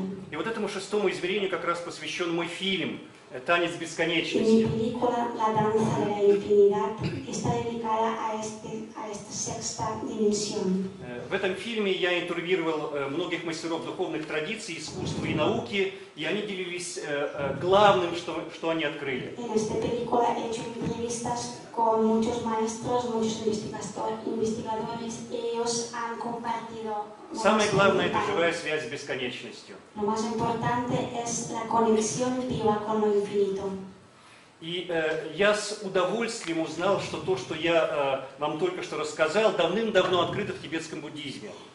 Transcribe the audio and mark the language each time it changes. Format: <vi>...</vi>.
<ru>И вот этому шестому измерению как раз посвящен мой фильм. Танец бесконечности.</ru> <es>Mi película La danza de la infinidad está dedicada a esta sexta dimensión.</es> <ru>В этом фильме я интервьюировал многих мастеров духовных традиций, искусства и науки, и они делились главным, что они открыли.</ru> <es>En esta película he hecho entrevistas con muchos maestros, muchos investigadores, y ellos han compartido.</es> <ru>Самое главное – это живая связь с бесконечностью.</ru> <es>Lo más importante es la conexión viva con lo infinito.</es> <ru>И я с удовольствием узнал, что то, что я вам только что рассказал, давным-давно открыто в тибетском буддизме.</ru>